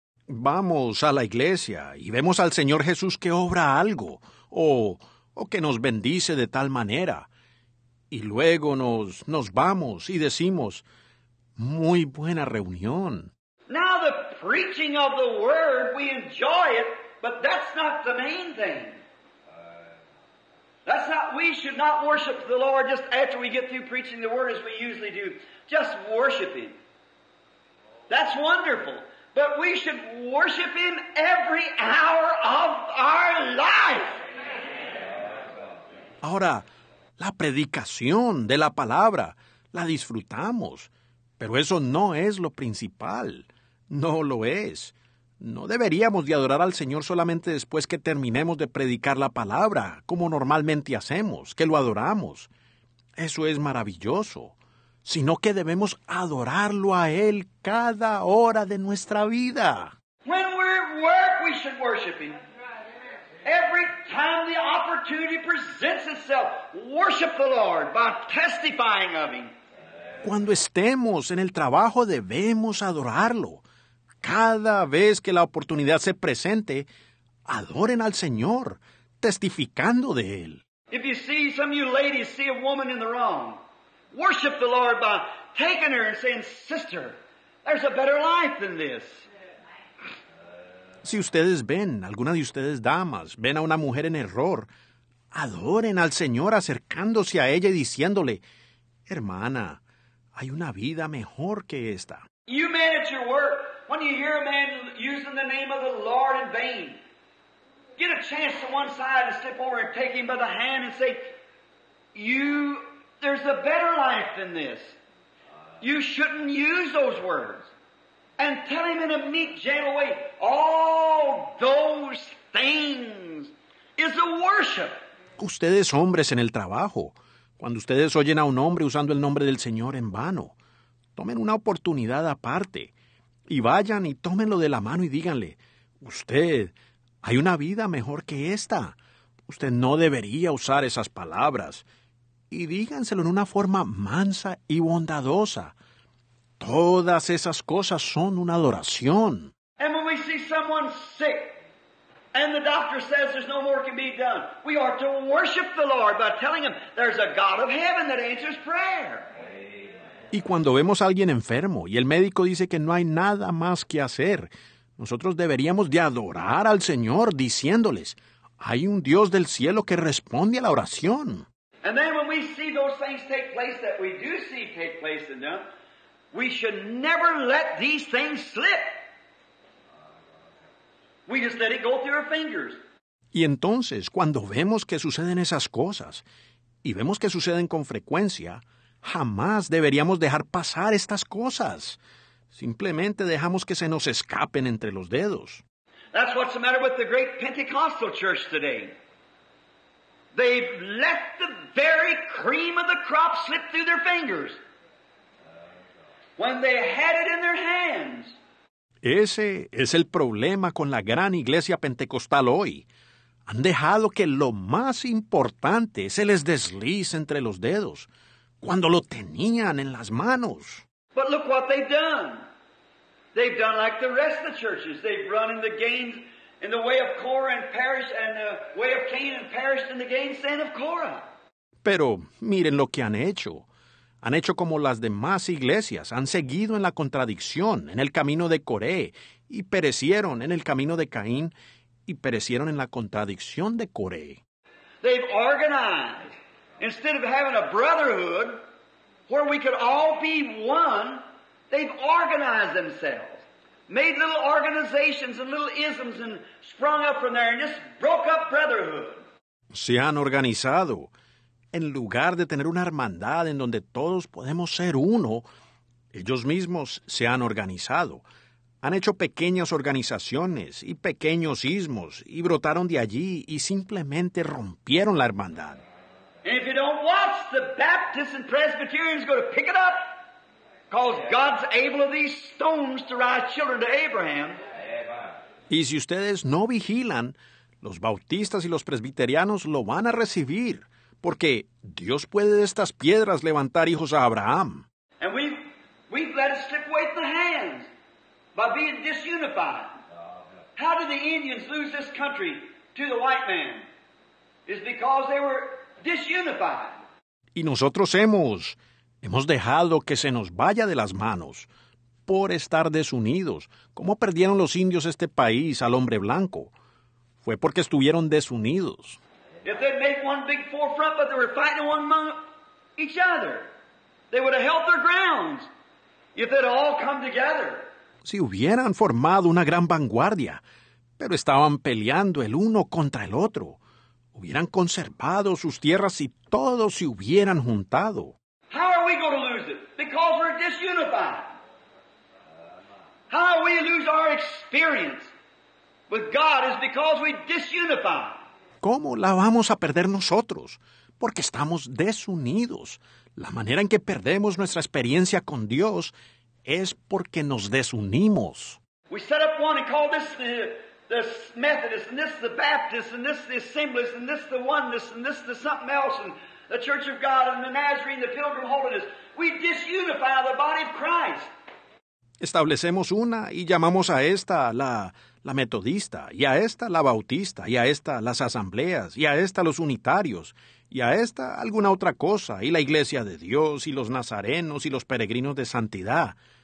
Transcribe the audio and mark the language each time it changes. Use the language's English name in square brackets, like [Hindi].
[Spanish] Vamos a la iglesia y vemos al Señor Jesús que obra algo o que nos bendice de tal manera. Y luego nos vamos y decimos, muy buena reunión. [English] Now the preaching of the word, we enjoy it, but that's not the main thing. That's not, we should not worship the Lord just after we get through preaching the word as we usually do. Just worship Him. That's wonderful. But we should worship Him every hour of our life. [Spanish] Ahora, la predicación de la palabra, la disfrutamos. Pero eso no es lo principal. No lo es. No deberíamos de adorar al Señor solamente después que terminemos de predicar la palabra, como normalmente hacemos, que lo adoramos. Eso es maravilloso. Sino que debemos adorarlo a Él cada hora de nuestra vida. [English] When we're at work, we should worship Him. Every time the opportunity presents itself, worship the Lord by testifying of Him. [Spanish] Cuando estemos en el trabajo, debemos adorarlo. Cada vez que la oportunidad se presente, adoren al Señor, testificando de Él. [English] If you see some of you ladies see a woman in the wrong, worship the Lord by taking her and saying, sister, there's a better life than this. [Spanish] Si ustedes ven, alguna de ustedes damas, ven a una mujer en error, adoren al Señor acercándose a ella y diciéndole, hermana, hay una vida mejor que esta. [English] You men at your work, when you hear a man using the name of the Lord in vain, get a chance to one side and step over and take him by the hand and say, you, there's a better life than this. You shouldn't use those words. And tell him in a meek, gentle way, all those things is a worship. [Spanish] Ustedes hombres en el trabajo, cuando ustedes oyen a un hombre usando el nombre del Señor en vano, tomen una oportunidad aparte y vayan y tómenlo de la mano y díganle, usted, hay una vida mejor que esta. Usted no debería usar esas palabras. Y díganselo en una forma mansa y bondadosa. Todas esas cosas son una adoración. [English] And when we see someone sick, and the doctor says there's no more can be done, we are to worship the Lord by telling him there's a God of heaven that answers prayer. [Spanish] Y cuando vemos a alguien enfermo y el médico dice que no hay nada más que hacer, nosotros deberíamos de adorar al Señor diciéndoles, hay un Dios del cielo que responde a la oración. [English] And then when we see those things take place that we do see take place in them, we should never let these things slip. We just let it go through our fingers. [Spanish] Y entonces, cuando vemos que suceden esas cosas, y vemos que suceden con frecuencia, jamás deberíamos dejar pasar estas cosas. Simplemente dejamos que se nos escapen entre los dedos. [English] That's what's the matter with the great Pentecostal church today. They've let the very cream of the crop slip through their fingers. When they had it in their hands. [Spanish] Ese es el problema con la gran iglesia pentecostal hoy. Han dejado que lo más importante se les deslice entre los dedos. cuando lo tenían en las manos. [English] But look what they've done. They've done like the rest of the churches. They've run in the gains in the way of Korah and perished, and the way of Cain and perished in the gains of Korah. [Spanish] Pero miren lo que han hecho. Han hecho como las demás iglesias. Han seguido en la contradicción, en el camino de Coré, y perecieron en el camino de Caín, y perecieron en la contradicción de Coré. [English] They've organized. Instead of having a brotherhood where we could all be one, they've organized themselves. Made little organizations and little isms and sprung up from there and just broke up brotherhood. [Spanish] Se han organizado. En lugar de tener una hermandad en donde todos podemos ser uno, ellos mismos se han organizado. Han hecho pequeñas organizaciones y pequeños ismos y brotaron de allí y simplemente rompieron la hermandad. [English] And if you don't watch, the Baptists and Presbyterians go to pick it up, because God's able of these stones to rise children to Abraham. [Spanish] Y si ustedes no vigilan, los bautistas y los presbiterianos lo van a recibir, porque Dios puede de estas piedras levantar hijos a Abraham. [English] And we've let it slip away from the hands by being disunified. How did the Indians lose this country to the white man? It's because they were disunified. [Spanish] Y nosotros hemos dejado que se nos vaya de las manos por estar desunidos. ¿Cómo perdieron los indios este país al hombre blanco? Fue porque estuvieron desunidos. [English] If they made one big forefront, but they were fighting one among each other, they would have held their grounds if they'd all come together. [Spanish] Si hubieran formado una gran vanguardia, pero estaban peleando el uno contra el otro, hubieran conservado sus tierras si todos se hubieran juntado. [English] How are we going to lose it? Because we're disunified. How we lose our experience with God is because we disunify. [Spanish] ¿Cómo la vamos a perder nosotros? Porque estamos desunidos. La manera en que perdemos nuestra experiencia con Dios es porque nos desunimos. [English] We set up one and call this this Methodist, and this the Baptist, and this the Assemblies, and this the Oneness, and this the something else, and the Church of God, and the Nazarene, the Pilgrim Holiness. We disunify the body of Christ. [Spanish] Establecemos una y llamamos a esta la Metodista, y a esta la Bautista, y a esta las Asambleas, y a esta los Unitarios, y a esta alguna otra cosa, y la Iglesia de Dios, y los Nazarenos, y los Peregrinos de Santidad.